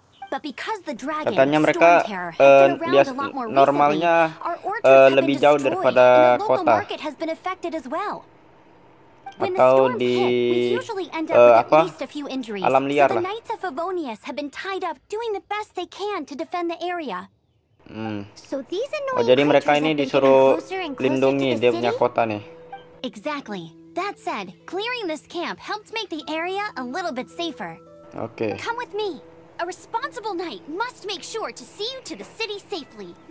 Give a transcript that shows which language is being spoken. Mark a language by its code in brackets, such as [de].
[en] But because the dragon, [id] katanya mereka bias normalnya lebih jauh daripada kota. Atau di apa alam liar lah. [en] Knights of Favonius have been tied up doing the best they can to defend the area. [id] Oh, jadi mereka ini disuruh lindungi dia punya kota nih. [en] Exactly. That said, clearing this camp helped make the area a little bit safer. Oke. Okay. Come with me. A responsible knight must make sure to see you to the city safely.